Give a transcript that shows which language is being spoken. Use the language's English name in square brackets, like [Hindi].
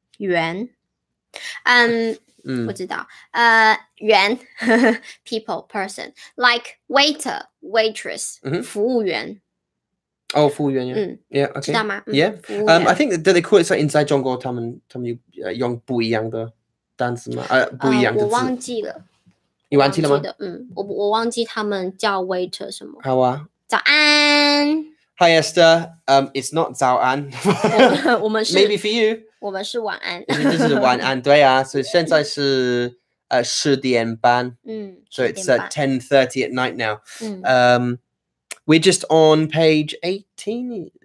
[Chinese] 员.不知道.员, people, person. [English] Like waiter, waitress, 服务员. Oh, 服务员, yeah. Okay. [Chinese] 知道吗? [English] Yeah. I think that they call it something inside 中国, [Chinese] 他们用不一样的单词吗? 不一样的字。我忘记了。你忘记了吗? 我忘记他们叫 waiter 什么。好啊。早安! [English] Hi Esther, it's not 早安. [Chinese] 我们是, [English] maybe for you. [Chinese] 我们是晚安. [English] This is 晚安, 对啊, [Chinese] 所以现在是, 10点半, [English] so it's 10:30 at night now. We're just on page 18.